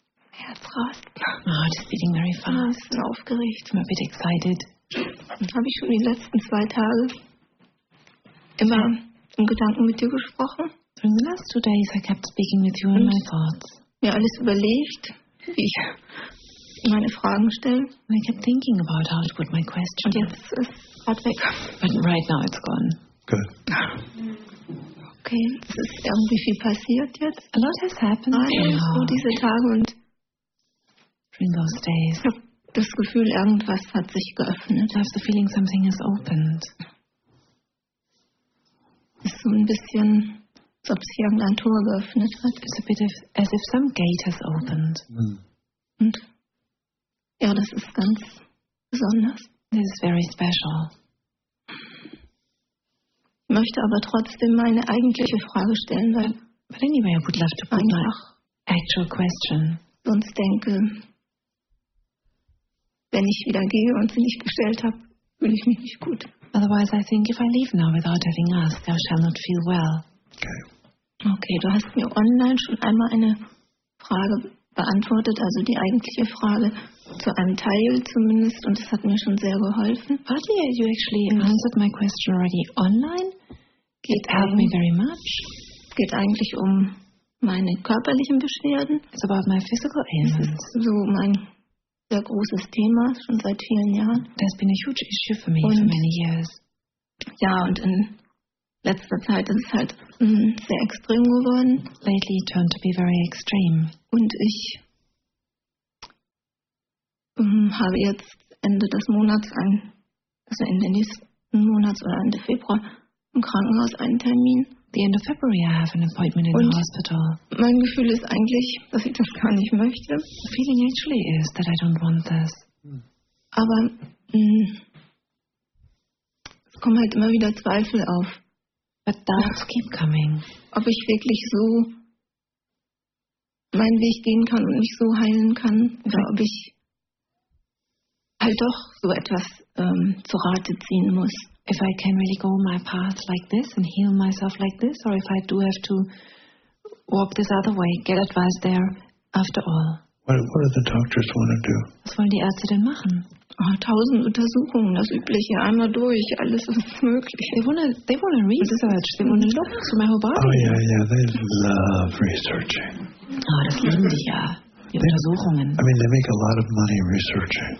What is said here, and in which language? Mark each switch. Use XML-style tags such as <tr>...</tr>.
<de>Herz rast.</de> <en>Oh, just beating very fast.</en> <de>Ich bin aufgeregt.</de> <en>I'm a bit excited.</en> <de>Habe ich schon die letzten zwei Tage immer in Gedanken mit dir gesprochen?</de> <en>During the last 2 days I kept speaking with you in my thoughts.</en> <de>Mir alles überlegt, wie ich meine Fragen stellen.</de> <en>And I kept thinking about how to put my question.</en> <de>Und jetzt ist es gerade weg.</de> <en>But right now it's gone. Good.</en> <de>Okay, es ist irgendwie viel passiert jetzt.</de> <en>A lot has happened.</en> <de>Nein, so diese Tage und</de> <en>during those days.</en> <de>Ich habe das Gefühl, irgendwas hat sich geöffnet.</de> <en>I have the feeling something has opened.</en> <de>Es ist so ein bisschen, als ob sich irgendein Tor geöffnet hat.</de> <en>It's a bit of, as if some gate has opened.</en> <de>Mm. Und ja, das ist ganz besonders.</de> <en>This is very special.</en> <de>Ich möchte aber trotzdem meine eigentliche Frage stellen, weil</de> <en>but anyway, I would love to put my actual question.</en> <de>Sonst denke, wenn ich wieder gehe und sie nicht gestellt habe, fühle ich mich nicht gut.</de> <en>Otherwise I think if I leave now without having asked, I shall not feel well. Okay,</en> <de>du hast mir online schon einmal eine Frage beantwortet, also die eigentliche Frage zu einem Teil zumindest, und das hat mir schon sehr geholfen.</de> <en>Partly you actually answered my question already online. It helped me very much.</en> <de>Geht eigentlich um meine körperlichen Beschwerden.</de> <en>It's about my physical ailments.</en> <de>Das ist so mein sehr großes Thema schon seit vielen Jahren.</de> <en>That's been a huge issue for me for many years.</en> <de>Ja, und in letzter Zeit ist es halt sehr extrem geworden.</de> <en>Lately it turned to be very extreme.</en> <de>Und ich habe jetzt Ende des Monats, also Ende nächsten Monats oder Ende Februar im Krankenhaus einen Termin.</de> <en>The end of February I have an appointment in the hospital.</en> <de>Mein Gefühl ist eigentlich, dass ich das gar nicht möchte.</de> <en>The feeling actually is that I don't want this.</en> <de>Aber es kommen halt immer wieder Zweifel auf.</de> <en>But doubts keep coming.</en> <de>Ob ich wirklich so meinen Weg gehen kann und mich so heilen kann, oder ob ich halt doch so etwas zu Rate ziehen muss.</de> <en>If I can really go my path like this and heal myself like this, or if I do have to walk this other way, get advice there after all. What do the doctors want to do?</en> <de>Was wollen die Ärzte denn machen? Oh, 1000 Untersuchungen, das Übliche, einmal durch, alles ist möglich.</de> <en>They wanna research, they wanna look to my whole body. Oh yeah, yeah, they love researching.</en> <de>Oh, das lieben sie ja, die Untersuchungen.</de> <en>I mean, they make a lot of money researching.</en>